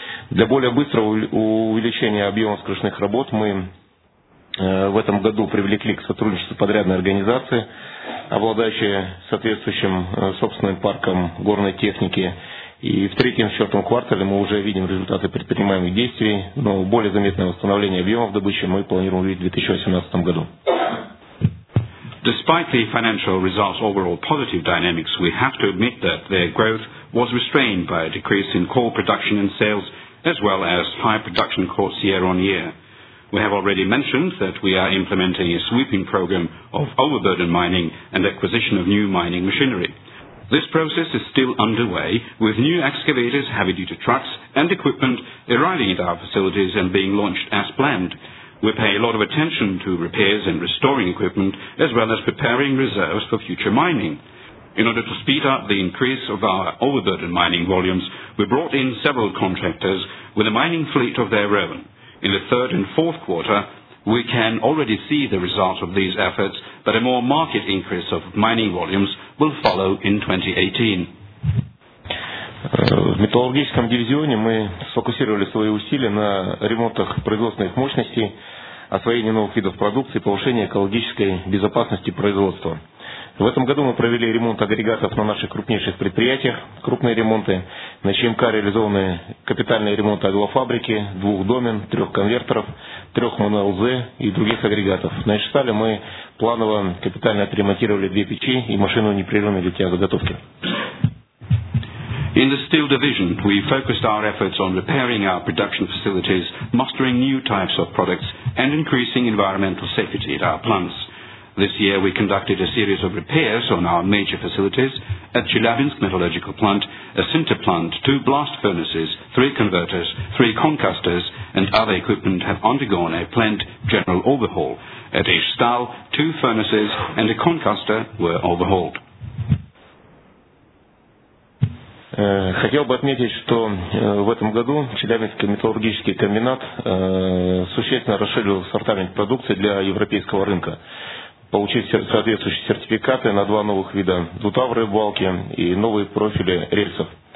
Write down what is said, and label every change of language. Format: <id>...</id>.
<ru>Для более быстрого увеличения объема вскрышных работ мы в этом году привлекли к сотрудничеству подрядной организации, обладающие соответствующим собственным парком горной техники. И в третьем и четвертом квартале мы уже видим результаты предпринимаемых действий, но более заметное восстановление объемов добычи мы планируем увидеть в 2018 году.</ru> <en>Despite the financial results' overall positive dynamics, we have to admit that their growth was restrained by a decrease in coal production and sales, as well as high production costs year on year. We have already mentioned that we are implementing a sweeping program of overburden mining and acquisition of new mining machinery. This process is still underway, with new excavators, heavy-duty trucks and equipment arriving at our facilities and being launched as planned. We pay a lot of attention to repairs and restoring equipment, as well as preparing reserves for future mining. In order to speed up the increase of our overburden mining volumes, we brought in several contractors with a mining fleet of their own. In the third and fourth quarter, we can already see the result of these efforts, but a more marked increase of mining volumes will follow in 2018.</en> <ru>В металлургическом дивизионе мы сфокусировали свои усилия на ремонтах производственных мощностей, освоении новых видов продукции, повышении экологической безопасности производства. В этом году мы провели ремонт агрегатов на наших крупнейших предприятиях, крупные ремонты. На ЧМК реализованы капитальные ремонты аглофабрики, двух домен, трех конвертеров, трех МНЛЗ и других агрегатов. На Ишстале мы планово капитально отремонтировали две печи и машину непрерывной для заготовки.</ru> <en>In the steel division, we focused our efforts on repairing our production facilities, mustering new types of products, and increasing environmental safety at our plants. This year, we conducted a series of repairs on our major facilities at Chelyabinsk Metallurgical Plant, a sinter plant, two blast furnaces, three converters, three concasters, and other equipment have undergone a plant general overhaul. At Ishtal, two furnaces and a concaster were overhauled.</en> <ru>Хотел бы отметить, что в этом году Челябинский металлургический комбинат существенно расширил ассортимент продукции для европейского рынка, получив соответствующие сертификаты на два новых вида двутавровые балки и новые профили рельсов.</ru>